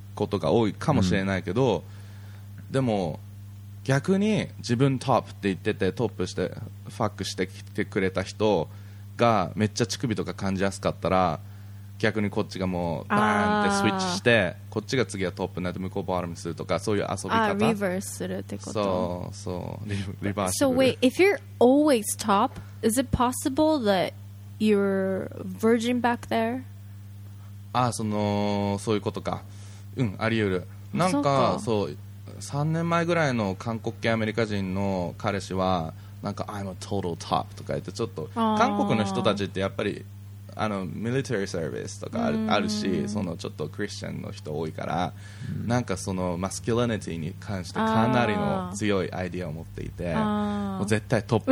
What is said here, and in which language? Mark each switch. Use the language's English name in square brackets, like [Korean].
[Japanese] ことが多いかもしれないけど、うん、でも逆に自分トップって言っててトップしてファックしてきてくれた人がめっちゃ乳首とか感じやすかったら逆にこっちがもうバーンってスイッチしてこっちが次はトップになって向こうバーラムするとかそういう遊び方リバースするってことそうそうリバースする [English] So wait, if you're always top, is it possible that you're virgin back there? [Japanese] ああそのそういうことかうんあり得るなんかそう3年前ぐらいの韓国系アメリカ人の彼氏はなんか [English] I'm a total top [Japanese] とか言ってちょっと韓国の人たちってやっぱりあのミリタリーサービスとかあるしそのちょっとクリスチャンの人多いからなんかそのマスキュラニティに関してかなりの強いアイディアを持っていてもう絶対トップ